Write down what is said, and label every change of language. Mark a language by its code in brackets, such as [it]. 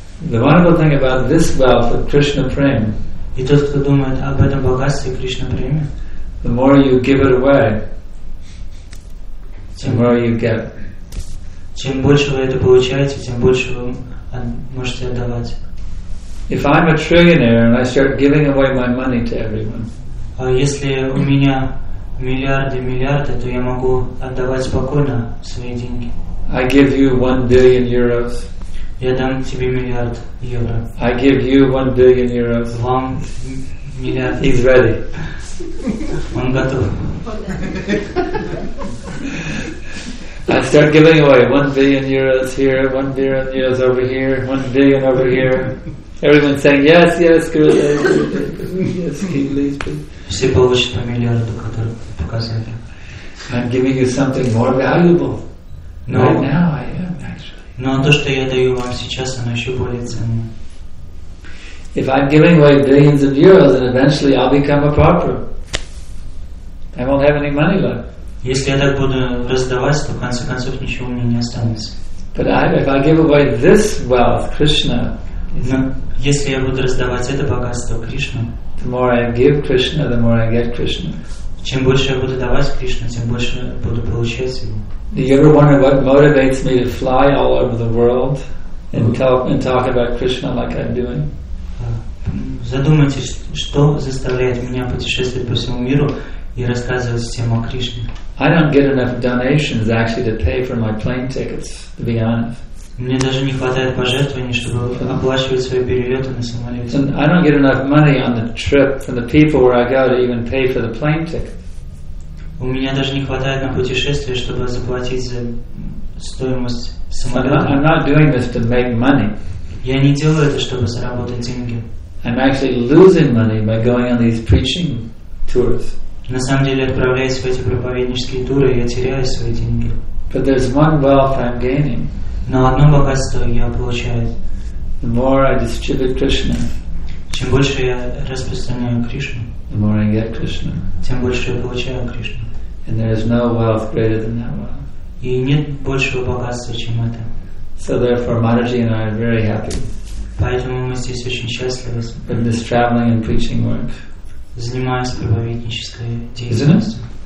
[en] The wonderful thing about this wealth of Krishna Prem. [ru] И тот, кто думает об этом богатстве Кришна Према. [en] The more you give it away, the more you get. [ru] Чем больше вы это получаете, тем больше вы можете отдавать. [en] If I'm a trillionaire and I start giving away my money to everyone. [ru] А если у меня миллиарды, то я могу отдавать спокойно свои деньги. [en] I give you 1 billion euros. [ru] Я дам тебе миллиард евро. [en] I give you 1 billion euros. [ru] Вам миллиард. [en] He's ready. [ru] Он готов. [en] I start giving away 1 billion euros here, 1 billion euros over here, 1 billion over here. Everyone's saying yes, yes, good. Yes, keep please, please. [ru] Все получат по миллиарду, который показали. [en] I'm giving you something more valuable. No. Right now, I am actually. [ru] Но то, что я даю вам сейчас, оно еще более ценное. [en] If I'm giving away billions of euros, then eventually I'll become a pauper. I won't have any money left. [ru] Если я так буду раздавать, то в конце концов ничего у меня не останется. [en] But if I give away this wealth, Krishna. [ru] Но если я буду раздавать это богатство Кришна. [en] The more I give Krishna, the more I get Krishna. [ru] Чем больше я буду давать Кришне, тем больше буду получать его. [en] Do you ever wonder what motivates me to fly all over the world and talk about Krishna like I'm doing? [ru] Задумайтесь, что заставляет меня путешествовать по всему миру и рассказывать всем о Кришне. [en] I don't get enough donations actually to pay for my plane tickets, to be honest. [ru] Мне даже не хватает пожертвований, чтобы оплачивать свои перелеты на самолете. [en] And I don't get enough money on the trip from the people where I go to even pay for the plane ticket. [ru] У меня даже не хватает на путешествие, чтобы заплатить за стоимость самолета. [en] I'm not doing this to make money. [ru] Я не делаю это, чтобы заработать деньги. [en] I'm actually losing money by going on these preaching tours. [ru] На самом деле, отправляясь в эти проповеднические туры, я теряю свои деньги. [en] But there's one wealth I'm gaining. [ru] Но одно богатство я получаю. [en] The more I distribute Krishna, [ru] чем больше я распространяю Кришну, [en] the more I get Krishna. [ru] Тем больше я получаю Кришну. [en] And there is no wealth greater than that wealth. [ru] И нет большего богатства, чем это. [en] So therefore, Mataji and I are very happy. [ru] Поэтому мы здесь очень счастливы. [en] In this traveling and preaching work. [ru] Занимаюсь проповеднической деятельностью.